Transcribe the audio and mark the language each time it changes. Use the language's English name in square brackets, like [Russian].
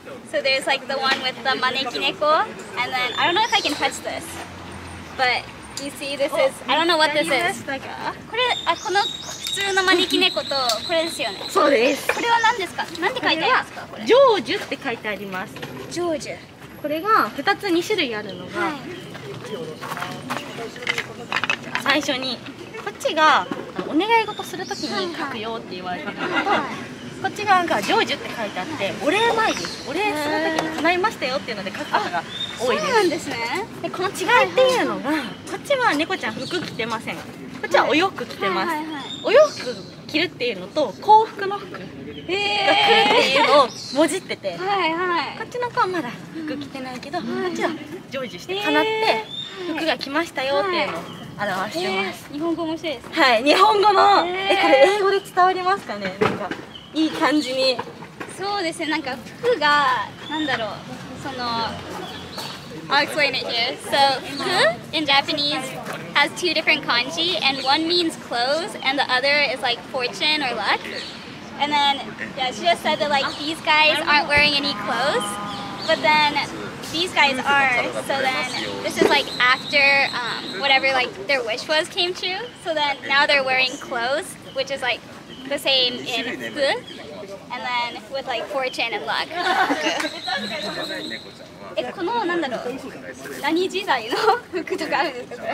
[English] So there's like the one with the maneki neko, and then I don't know if I can touch this. But you see, this is I don't know what this is. [Japanese] これ、あ、この普通の招き猫とこれですよね。そうです。これは何ですか？何て書いてありますか？これ。ジョージュって書いてあります。ジョージュ。これが2つ2種類あるのが、はい、最初にこっちがお願い事するときに書くよって言われたのと、こっち側がジョージュって書いてあって、はい、お礼参り、お礼するときに叶いましたよっていうので書く方が多いです。そうなんですね。でこの違いっていうのが、はいはい、こっちは猫ちゃん服着てません。こっちはお洋服着てます。はいはいはい、お洋服着るっていうのと幸福の服が来るっていうのをもじってて、はいはい、こっちの子はまだ服着てないけど、うん、こっちは成就して叶って服が来ましたよっていうのを表してます。日本語面白いですね。はい、日本語の、これ英語で伝わりますかね。なんかいい感じに。そうですね、なんか服が、なんだろう、その [English] I'll explain it here. So, fuku in Japanese has two different kanji, and one means clothes, and the other is like fortune or luck. And then, yeah, she just said that like these guys aren't wearing any clothes, but then these guys are. So then, this is like after whatever like their wish was came true. So then now they're wearing clothes, which is like the same in fuku, and then with like fortune and luck. [Japanese] え、この、なんだろう、何時代の服とかあるんですか。